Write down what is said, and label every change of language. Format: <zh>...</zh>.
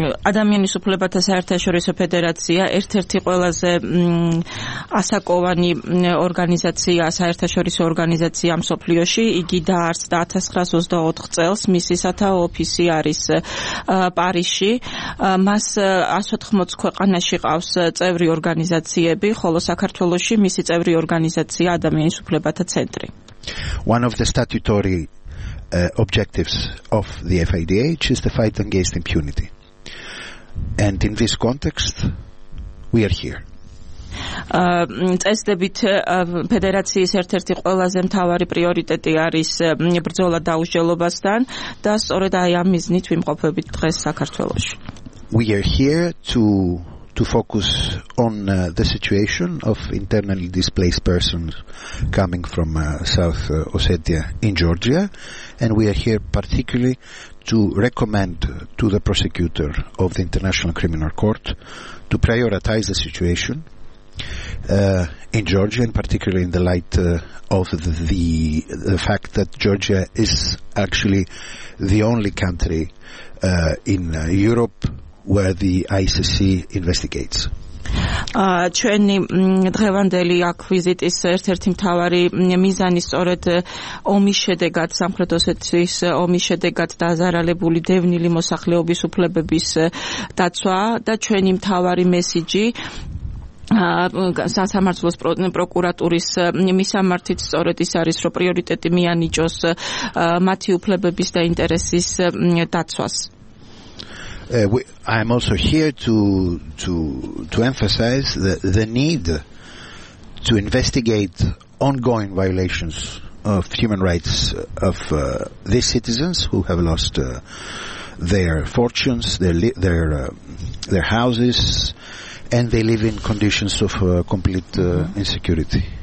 <ka>ადამიანის უფლებათა საერთაშორისო ფედერაცია ერთ-ერთი ყველაზე ასაკოვანი ორგანიზაცია, საერთაშორისო ორგანიზაცია მსოფლიოში. იგი დაარსდა 1924 წელს, მისი სათაო ოფისი არის პარიზში. მას 180 ქვეყანაში ყავს წევრი ორგანიზაციები, ხოლო საქართველოში მისი წევრი ორგანიზაცია ადამიანის უფლებათა ცენტრი.</ka> <en>One of the statutory objectives of the FIDH is the fight against impunity, and in this context we are here.</en> <ka>წესდებით ფედერაციის ერთ-ერთი ყველაზე მთავარი პრიორიტეტი არის ბრძოლა დაუსჯელობასთან და სწორედ აი ამ მიზნით ვიმყოფებით დღეს საქართველოში.</ka> <en>We are here to focus on the situation of internally displaced persons coming from South Ossetia in Georgia, and we are here particularly to recommend to the prosecutor of the International Criminal Court to prioritize the situation in Georgia, and particularly in the light of the fact that Georgia is actually the only country in Europe where the ICC investigates.</en> <ka>ჩვენი დღევანდელი აქ ვიზიტის ერთ-ერთი მთავარი მიზანი სწორედ ომის შედეგად, სამხრეთ ოსეთის ომის შედეგად დაზარალებული დევნილი მოსახლეობის უფლებების დაცვა და ჩვენი მთავარი მესიჯი სასამართლოს პროკურატურის მისამართით სწორედ ის არის, რომ პრიორიტეტი მიანიჭოს მათი უფლებების და ინტერესის დაცვას.</ka> <en>I am also here to emphasize the need to investigate ongoing violations of human rights of these citizens who have lost their fortunes, their houses, and they live in conditions of complete insecurity.</en>